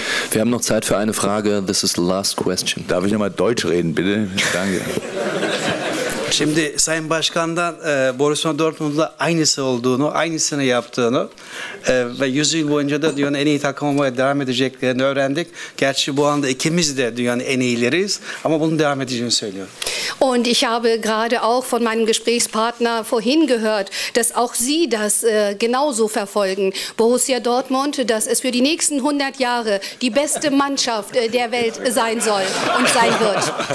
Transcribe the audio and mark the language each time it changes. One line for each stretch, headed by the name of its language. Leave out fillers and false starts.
German: Wir haben noch Zeit für eine Frage.
English: This is the last question.
German: Darf ich nochmal Deutsch reden, bitte? Danke.
Turkish: Şimdi Sayın Başkan'dan Borussia Dortmund'la aynısı olduğunu, aynısını yaptığını ve 100 yıl boyunca da dünyanın en iyi takımı olmaya devam edeceklerini öğrendik. Gerçi bu anda ikimiz de dünyanın en iyileriyiz ama bunu devam edeceğini söylüyorum.
German: Und ich habe gerade auch von meinem Gesprächspartner vorhin gehört, dass auch Sie das genauso verfolgen. Borussia Dortmund, dass es für die nächsten 100 Jahre die beste Mannschaft der Welt sein soll und sein wird.